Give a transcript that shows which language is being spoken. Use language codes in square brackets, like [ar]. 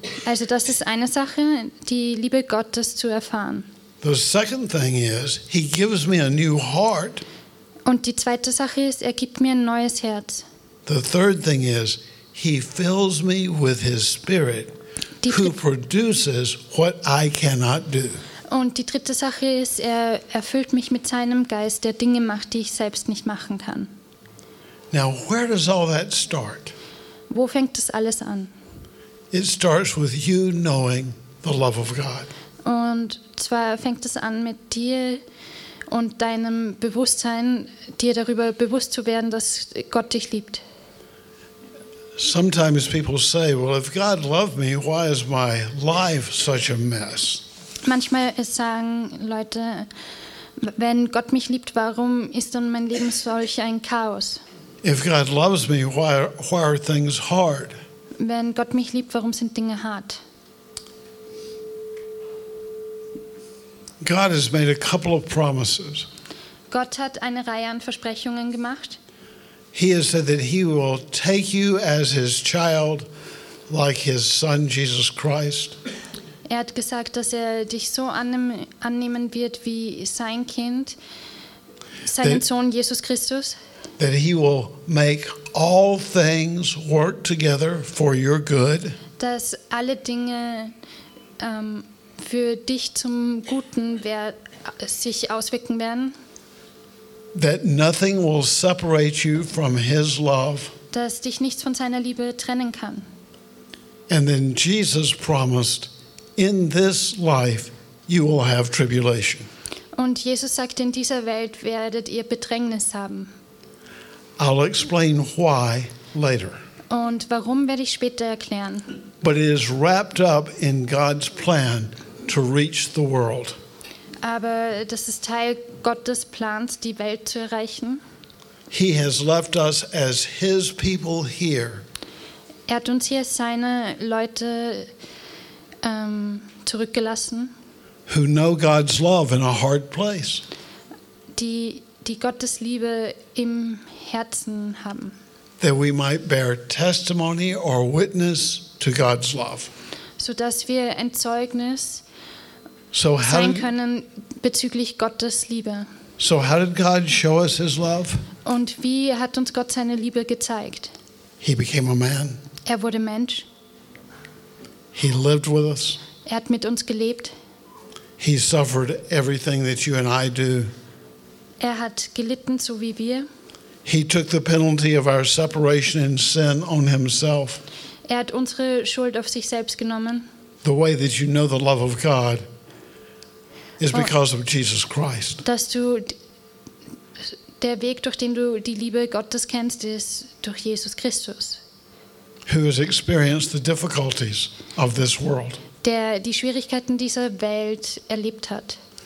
[de] Also das ist eine Sache, die Liebe Gottes zu erfahren. [en] The second thing is, he gives me a new heart. [de] Und die zweite Sache ist, er gibt mir ein neues Herz. [en] The third thing is, he fills me with his spirit, who produces what I cannot do. [de] Und die dritte Sache ist, er erfüllt mich mit seinem Geist, der Dinge macht, die ich selbst nicht machen kann. [en] Now, where does all that start? [de] Wo fängt das alles an? [en] It starts with you knowing the love of God. [de] Und zwar fängt es an mit dir und deinem Bewusstsein, dir darüber bewusst zu werden, dass Gott dich liebt. [en] Sometimes people say, well, if God loved me, why is my life such a mess? [de] Manchmal sagen Leute, wenn Gott mich liebt, warum ist dann mein Leben solch ein Chaos? [en] If God loves me, why are things hard? [de] Wenn Gott mich liebt, warum sind Dinge hart? [en] God has made a couple of promises. [de] Gott hat eine Reihe an Versprechungen gemacht. [en] He has said that he will take you as his child, like his son Jesus Christ. [de] Er hat gesagt, dass er dich so annehmen wird wie sein Kind, seinen Sohn Jesus Christus. [en] That he will make all things work together for your good. [de] Dass alle Dinge für dich zum Guten sich auswirken werden. [en] That nothing will separate you from his love. [de] Dass dich nichts von seiner Liebe trennen kann. [en] And then Jesus promised, in this life you will have tribulation. [de] Und Jesus sagt, in dieser Welt werdet ihr Bedrängnis haben. [en] I'll explain why later. [de] Und warum werde ich später erklären. [en] But it is wrapped up in God's plan to reach the world. [de] Aber das ist Teil Gottes Plans, die Welt zu erreichen. [en] He has left us as his people here. [de] Er hat uns hier seine Leute zurückgelassen. [en] Who know God's love in a hard place. [de] Die Gottes Liebe im Herzen haben. [en] That we might bear testimony or witness to God's love. [de] So dass wir ein Zeugnis sein können bezüglich Gottes Liebe. [en] So how did God show us his love? [de] Und wie hat uns Gott seine Liebe gezeigt? [en] He became a man. [de] Er wurde Mensch. [en] He lived with us. [de] Er hat mit uns gelebt. [en] He suffered everything that you and I do. [de] Er hat gelitten, so wie wir. [en] He took the penalty of our separation and sin on himself. [de] Er hat unsere Schuld auf sich selbst genommen. [en] The way that you know the love of God is because of Jesus Christ. [de] Dass du der Weg, durch den du die Liebe Gottes kennst, ist durch Jesus Christus. [en] Who has experienced the difficulties of this world? [de] Der die Schwierigkeiten dieser Welt erlebt hat.